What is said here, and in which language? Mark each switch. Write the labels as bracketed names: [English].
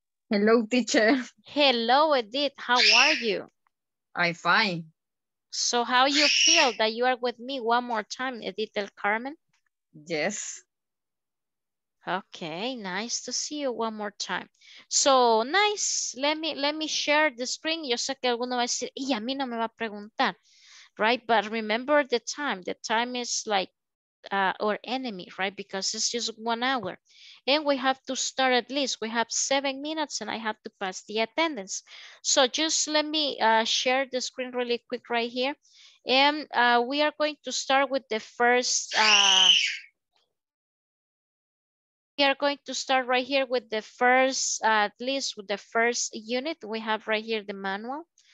[English] Hello, teacher. Hello, Edith. How are you? I'm fine. So how you feel that you are with me one more time, Edith del Carmen? Yes. Okay, nice to see you one more time. So nice, let me share the screen. [Spanish] Yo sé que alguno va a decir, y a mí no me va a preguntar, [English] right? But remember the time is like our enemy, right? Because it's just 1 hour. And we have to start at least, we have 7 minutes and I have to pass the attendance. So just let me share the screen really quick right here. And we are going to start with the first, we are going to start right here with the first, at least with the first unit, we have right here the manual.